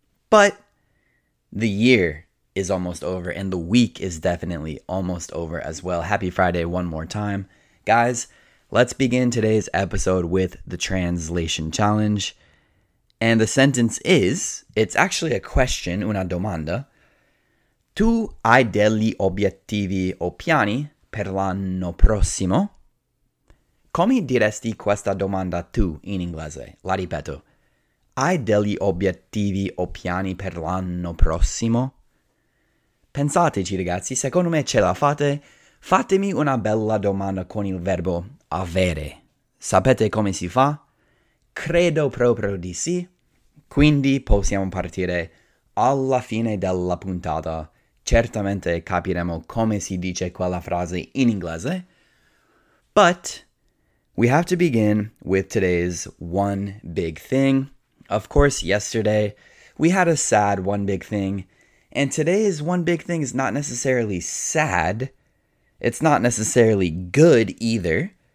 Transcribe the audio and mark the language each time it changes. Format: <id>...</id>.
<en>But the year is almost over. And the week is definitely almost over as well. Happy Friday one more time. Guys, let's begin today's episode with the translation challenge. And the sentence is, it's actually a question,</en> <it>una domanda. Tu hai degli obiettivi o piani per l'anno prossimo? Come diresti questa domanda tu in inglese? La ripeto. Hai degli obiettivi o piani per l'anno prossimo? Pensateci, ragazzi, secondo me ce la fate. Fatemi una bella domanda con il verbo avere. Sapete come si fa? Credo proprio di sì. Quindi possiamo partire alla fine della puntata. Certamente capiremo come si dice quella frase in inglese.</it> <en>But we have to begin with today's one big thing. Of course, yesterday we had a sad one big thing. And today's one big thing is not necessarily sad. It's not necessarily good either.</en>